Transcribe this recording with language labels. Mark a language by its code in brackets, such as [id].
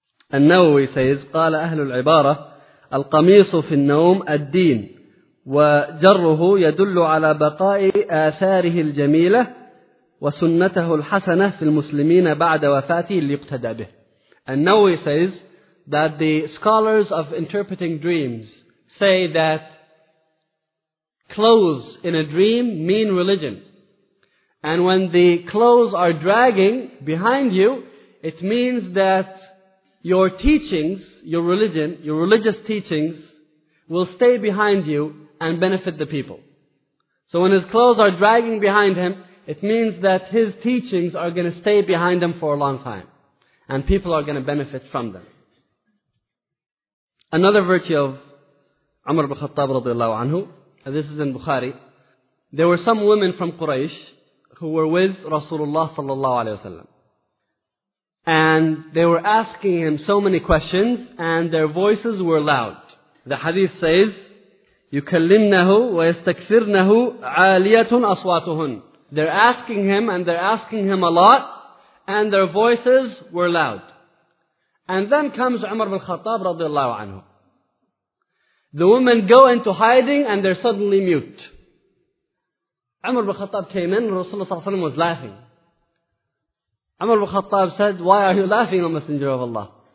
[en] And Nawawi says, [ar] قال أهل العبارة القميص في النوم الدين وجره يدل على بقاء آثاره الجميلة وسنته الحسنة في المسلمين بعد وفاته ليقتدى به. [en] And now he says that the scholars of interpreting dreams say that clothes in a dream mean religion. And when the clothes are dragging behind you, it means that your teachings, your religion, your religious teachings will stay behind you and benefit the people. So when his clothes are dragging behind him, it means that his teachings are going to stay behind him for a long time. And people are going to benefit from them. Another virtue of Umar ibn Khattab radiallahu anhu, and this is in Bukhari, there were some women from Quraysh who were with Rasulullah sallallahu alayhi wa sallam. And they were asking him so many questions, and their voices were loud. The hadith says, [ar] يُكَلِّمْنَهُ وَيَسْتَكْثِرْنَهُ عَالِيَةٌ أَصْوَاتُهُنْ. [en] They're asking him, and they're asking him a lot, and their voices were loud. And then comes Umar ibn Khattab radiallahu anhu. The women go into hiding, and they're suddenly mute. Umar ibn Khattab came in, and Rasulullah was laughing. Umar ibn Khattab said, "Why are you laughing, O Messenger of Allah?"